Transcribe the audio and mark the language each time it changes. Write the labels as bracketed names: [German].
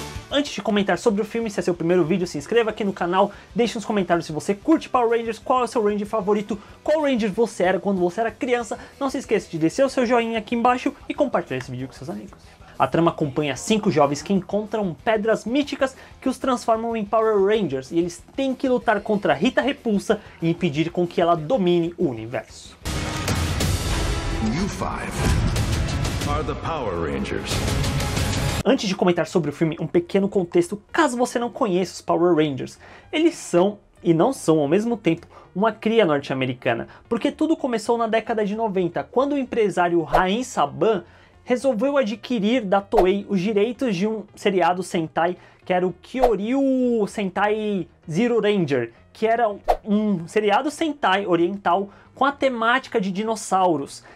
[Portuguese] Antes de comentar sobre o filme, se é seu primeiro vídeo, se inscreva aqui no canal, deixe nos comentários se você curte Power Rangers, qual é o seu Ranger favorito, qual Ranger você era quando você era criança. Não se esqueça de deixar o seu joinha aqui embaixo e compartilhar esse vídeo com seus amigos. A trama acompanha 5 jovens que encontram pedras míticas que os transformam em Power Rangers e eles têm que lutar contra Rita Repulsa e impedir com que ela domine o universo. [English] You five are the Power Rangers. [Portuguese] Antes de comentar sobre o filme, um pequeno contexto caso você não conheça os Power Rangers. Eles são, e não são ao mesmo tempo, uma cria norte-americana, porque tudo começou na década de 90, quando o empresário Rain Saban resolveu adquirir da Toei os direitos de um seriado Sentai, que era o Kyoryu Sentai Zero Ranger, que era um seriado Sentai oriental com a temática de dinossauros.